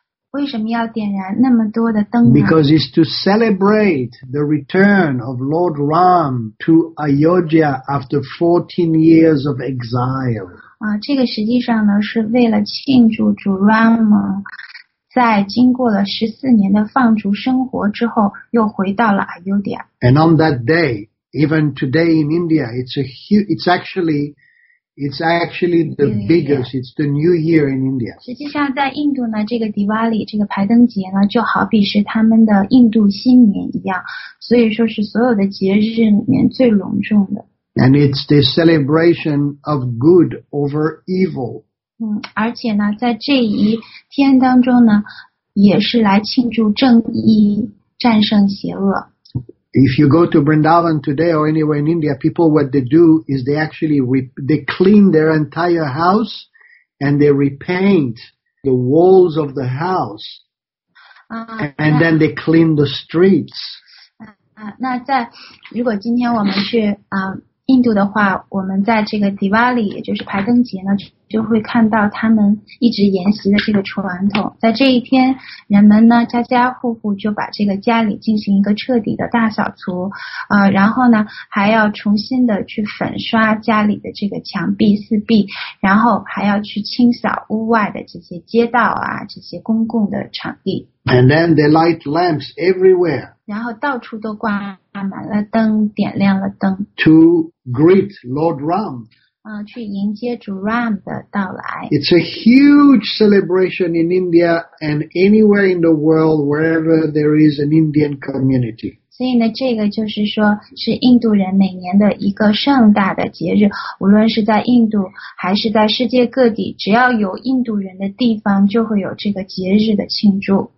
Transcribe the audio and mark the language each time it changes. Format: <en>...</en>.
<zh>为什么要点燃那么多的灯呢？</zh> <en>Because it's to celebrate the return of Lord Ram to Ayodhya after 14 years of exile.</en> <zh>这个实际上呢是为了庆祝主 Rama。在经过了14年的放逐生活之后又回到了 Ayodhya.</zh> <en>And on that day, even today in India, it's actually the biggest, it's the new year in India.</en> <zh>实际上在印度呢这个 Diwali, 这个排灯节呢就好比是他们的印度新年一样，所以说是所有的节日里面最隆重的。</zh> <en>And it's the celebration of good over evil.</en> <zh>而且呢在这一天当中呢也是来庆祝正义战胜邪恶。</zh> <en>If you go to Vrindavan today or anywhere in India, people what they do is they clean their entire house and they repaint the walls of the house. And then they clean the streets.</en> <zh>那在如果今天我们去印度的话，我们在这个 Diwali 也就是排灯节呢就会看到他们一直沿袭的这个传统。在这一天人们呢家家户户就把这个家里进行一个彻底的大扫除，然后呢还要重新的去粉刷家里的这个墙壁四壁，然后还要去清扫屋外的这些街道啊这些公共的场地。</zh> <en>And then they light lamps everywhere.</en> <zh>然后到处都挂满了灯，点亮了灯。</zh> <en>To greet Lord Ram.</en> <zh>去迎接主 Ram 的到来。</zh> <en>It's a huge celebration in India and anywhere in the world wherever there is an Indian community.</en> <zh>所以呢，这个就是说是印度人每年的一个盛大的节日，无论是在印度还是在世界各地，只要有印度人的地方，就会有这个节日的庆祝。</zh>